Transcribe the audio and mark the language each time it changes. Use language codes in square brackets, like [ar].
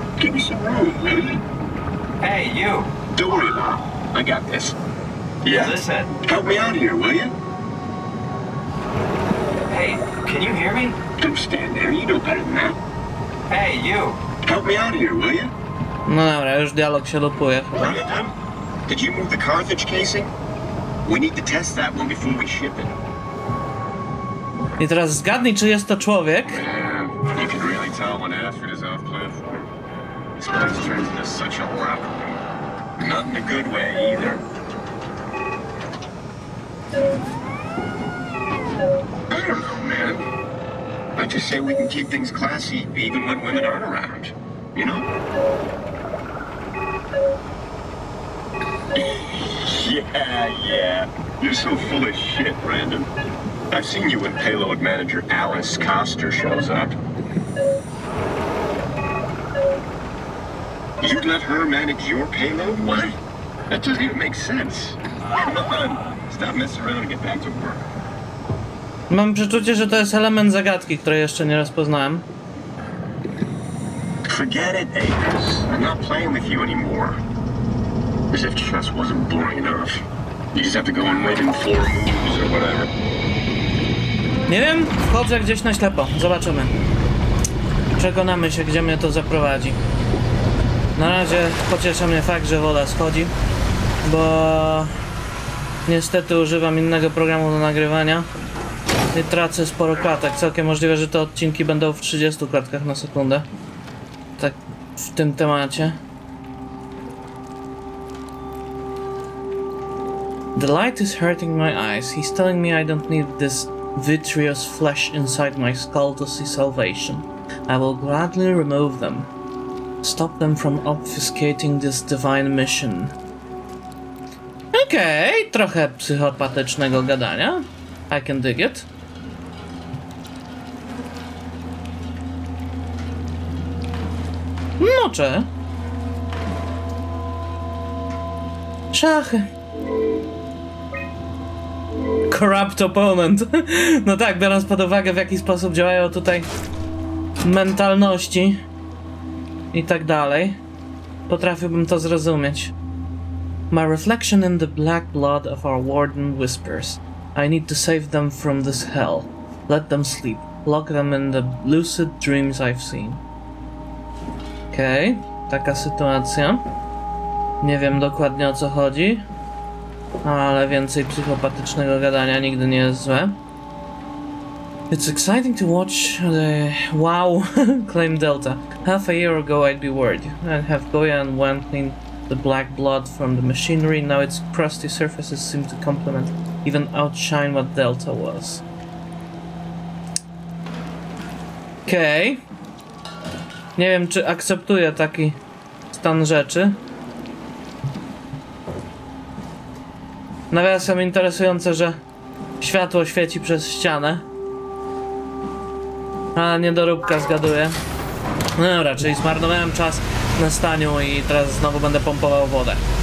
[en] Give me some room, will you? Hey, you. Don't worry about it. I got this. Yeah. Listen. Help me out here, will you? Hey, can you hear me? Don't stand there. You know better than that. Hey, you. Help me out here, will you? [pl] No, dobra, już dialog się lupuje. [en] Did you move the Carthage casing? We need to test that one before we ship it. [pl] I teraz zgadnij, czy jest to człowiek. [en] Man, you can really tell when Astrid is off platform. This place turns into such a rock. Not in a good way either. I don't know, man. I just say we can keep things classy even when women aren't around. you know? Yeah. You're so full of shit, Brandon. I've seen you when payload manager Alice Coster shows up. You'd let her manage your payload? What? That doesn't even make sense. Come on! Stop messing around and get back to work. [pl] Mam przeczucie, że to jest element zagadki, której jeszcze nie rozpoznałem. [en] Forget it, Avis. I'm not playing with you anymore. As if chess wasn't boring enough. You just have to go and wait in four moves or whatever. [pl] Nie wiem, chodzę gdzieś na ślepo. Zobaczymy. Przekonamy się, gdzie mnie to zaprowadzi. Na razie pociesza mnie fakt, że woda schodzi, bo niestety używam innego programu do nagrywania i tracę sporo klatek. Całkiem możliwe, że te odcinki będą w 30 klatkach na sekundę. Tak w tym temacie. [en] The light is hurting my eyes. He's telling me I don't need this vitreous flesh inside my skull to see salvation. I will gladly remove them. Stop them from obfuscating this divine mission. [pl] Okej, trochę psychopatycznego gadania. [en] I can dig it. [pl] No czy? Szachy. [en] Corrupt opponent. [pl] No tak, biorąc pod uwagę, w jaki sposób działają tutaj mentalności i tak dalej, potrafiłbym to zrozumieć. [en] My reflection in the black blood of our warden whispers. I need to save them from this hell. Let them sleep. Lock them in the lucid dreams I've seen. [pl] Okej, taka sytuacja. Nie wiem dokładnie, o co chodzi. Ale więcej psychopatycznego gadania nigdy nie jest złe. [en] It's exciting to watch the... Wow! Claim Delta. Half a year ago I'd be worried. I'd have Goya and Wen clean the black blood from the machinery. Now its crusty surfaces seem to complement, even outshine what Delta was. [pl] Okej. Nie wiem, czy akceptuję taki stan rzeczy. Nawiasem interesujące, że światło świeci przez ścianę. A niedoróbka, zgaduję. No dobra, czyli zmarnowałem czas na staniu i teraz znowu będę pompował wodę.